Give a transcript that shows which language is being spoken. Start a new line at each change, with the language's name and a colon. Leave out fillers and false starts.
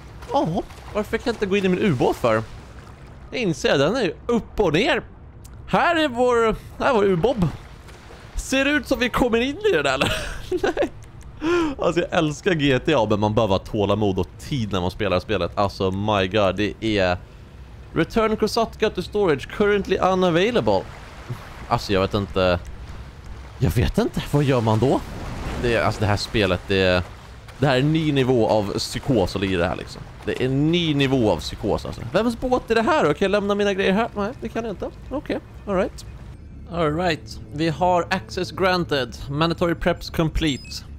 Swedish: Åh, oh, varför kan jag inte gå in i min ubåt för? Jag inser, den är ju upp och ner. Här är vår... Här är vår ubob. Ser det ut som vi kommer in i det där, eller? Nej. Alltså, jag älskar GTA, men man behöver tålamod och tid när man spelar spelet. Alltså,
English: my god,
Swedish: det är...
English: Return Kosatka to storage currently unavailable.
Swedish: Alltså, jag vet inte... Jag vet inte. Vad gör man då? Det är, alltså, det här spelet, det är... Det här är en ny nivå av psykos och det här, liksom. Det är en ny nivå av psykos, alltså. Vems båt är det här då? Kan jag lämna mina grejer här? Nej, det kan jag inte. Okej,
English: okay. All right.
Swedish: Vi har
English: access granted. Mandatory preps complete.